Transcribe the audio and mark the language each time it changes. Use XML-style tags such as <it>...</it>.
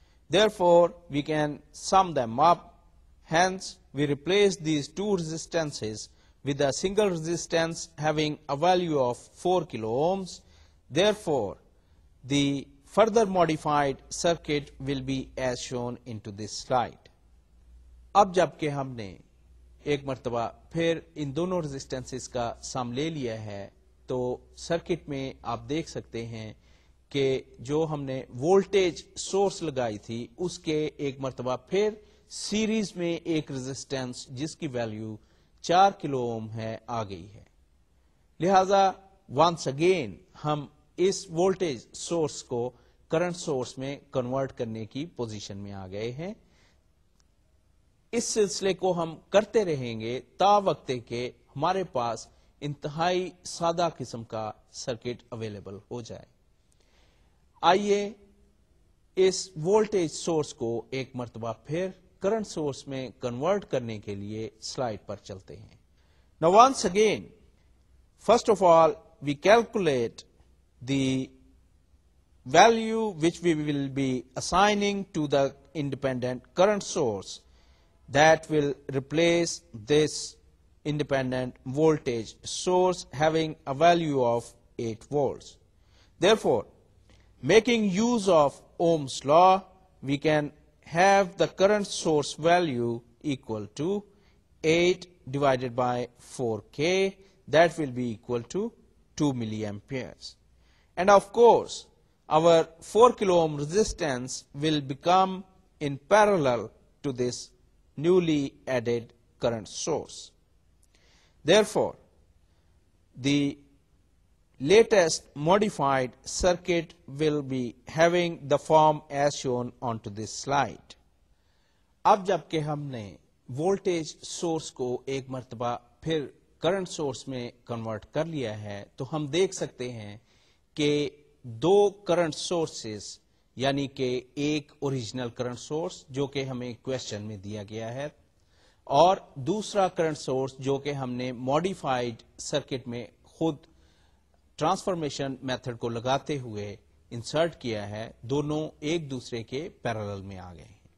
<en>Therefore, we can sum them up. Hence, we replace these two resistances with a single resistance having a value of 4 kilo ohms. Therefore, the further modified circuit will be as shown into this slide.</en> <ur>اب جبکہ ہم نے ایک مرتبہ پھر ان دونوں resistances کا سم لے لیا ہے تو circuit میں آپ دیکھ سکتے ہیں کہ جو ہم نے voltage source لگائی تھی اس کے ایک مرتبہ پھر series میں ایک resistance جس کی value 4 کلو اوم ہے آ گئی ہے. لہذا</ur> <en>once again</en> <ur>ہم اس وولٹیج سورس کو کرنٹ سورس میں کنورٹ کرنے کی پوزیشن میں آ گئے ہیں. اس سلسلے کو ہم کرتے رہیں گے تا وقت کے ہمارے پاس انتہائی سادہ قسم کا سرکٹ اویلیبل ہو جائے. آئیے اس وولٹیج سورس کو ایک مرتبہ پھر current source میں convert کرنے کے لیے slide پر چلتے ہیں.</ur> <en>Now once again, first of all, we calculate the value which we will be assigning to the independent current source that will replace this independent voltage source having a value of 8 volts. Therefore, making use of Ohm's law, we can have the current source value equal to 8 divided by 4K, that will be equal to 2 milliamperes. And of course, our 4 kilo ohm resistance will become in parallel to this newly added current source. Therefore, the latest modified circuit will be having the form as shown onto this slide.</en> <ur>اب جبکہ ہم نے voltage source کو ایک مرتبہ پھر current source میں convert کر لیا ہے تو ہم دیکھ سکتے ہیں کہ دو کرنٹ سورسز یعنی کہ ایک اوریجنل کرنٹ سورس جو کہ ہمیں کوشچن میں دیا گیا ہے اور دوسرا کرنٹ سورس جو کہ ہم نے ماڈیفائڈ سرکٹ میں خود ٹرانسفارمیشن میتھڈ کو لگاتے ہوئے انسرٹ کیا ہے دونوں ایک دوسرے کے پیرلل میں آ گئے ہیں</ur>